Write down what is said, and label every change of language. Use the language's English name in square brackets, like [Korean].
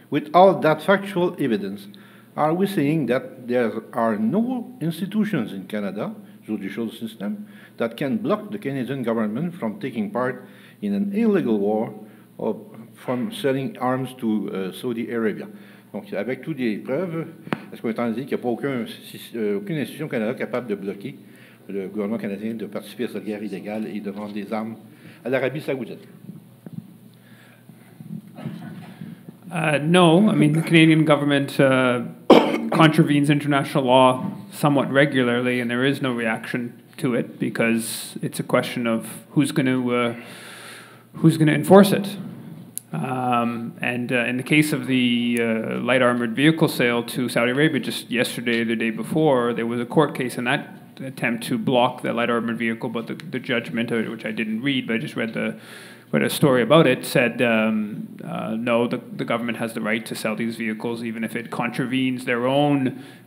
[English] With all that factual evidence, are we saying that there are no institutions in Canada, through the judicial system, that can block the Canadian government from taking part in an illegal war or from selling arms to Saudi Arabia? [French] Donc, avec toutes les preuves, est-ce qu'on est en train de dire qu'il n'y a pas aucune institution au Canada capable de bloquer le gouvernement canadien de participer à cette guerre illégale et de vendre des armes à l'Arabie Saoudite? [English] No, I mean, the Canadian government contravenes international law somewhat regularly, and there is no reaction to it because it's a question of who's going to enforce it. And in the case of the light armored vehicle sale to Saudi Arabia just yesterday, the day before, there was a court case in that attempt to block the light armored vehicle, but the judgment, which I didn't read, but I just read a story about it, said no, the government has the right to sell these vehicles even if it contravenes their own